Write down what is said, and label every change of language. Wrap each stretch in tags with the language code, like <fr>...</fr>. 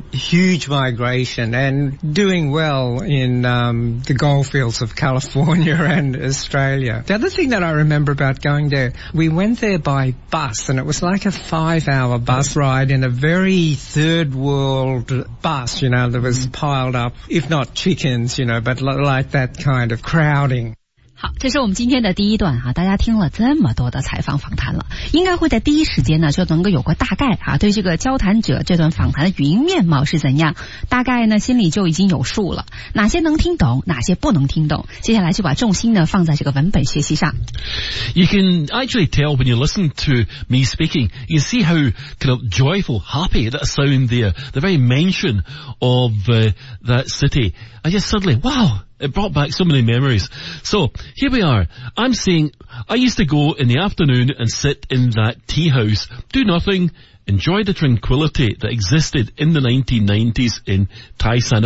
<en>Huge migration and doing well in the goldfields of California and Australia. The other thing that I remember about going there, we went there by bus and it was like a 5-hour bus ride in a very third world bus, you know, that was piled up, if not chickens, you know, but like that kind of crowding.</en> <zh>好，这是我们今天的第一段啊，大家听了这么多的采访访谈了，应该会在第一时间呢就能够有个大概啊，对这个交谈者这段访谈的语音面貌是怎样，大概呢心里就已经有数了，哪些能听懂，哪些不能听懂，接下来就把重心呢放在这个文本学习上。</zh> <en>You can actually tell when you listen to me speaking, you see how kind of joyful, happy that sound there, the very mention of that city. I just suddenly, wow! It brought back so many memories. So, here we are. I'm saying, I used to go in the afternoon and sit in that tea house, do nothing, enjoy the tranquility that existed in the 1990s in Taishan.</en>